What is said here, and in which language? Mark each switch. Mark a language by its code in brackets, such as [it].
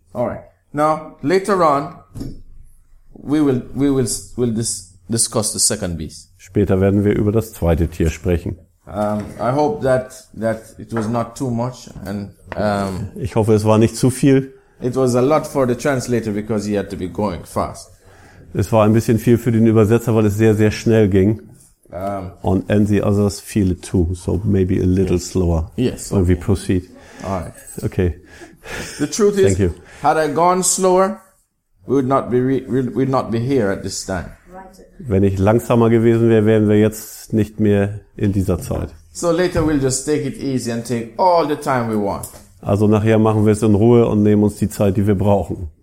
[en] Alright. Now, later on, we will discuss the second beast. [de] Später werden wir über das zweite Tier sprechen. [en] I hope that it was not too much and [de] ich hoffe, es war nicht zu viel. [en] It was a lot for the translator because he had to be going fast. [de] Es war ein bisschen viel für den Übersetzer, weil es sehr sehr schnell ging. [en] And the others feel it too, so maybe a little slower. Yes. When we proceed. All right. Okay. The truth is, thank you. Had I gone slower, we would not be here at this time. [de] Wenn ich langsamer gewesen wäre, wären wir jetzt nicht mehr in dieser Zeit. [en] So later we'll just take it easy and take all the time we want. [de] Also nachher machen wir es in Ruhe und nehmen uns die Zeit, die wir brauchen.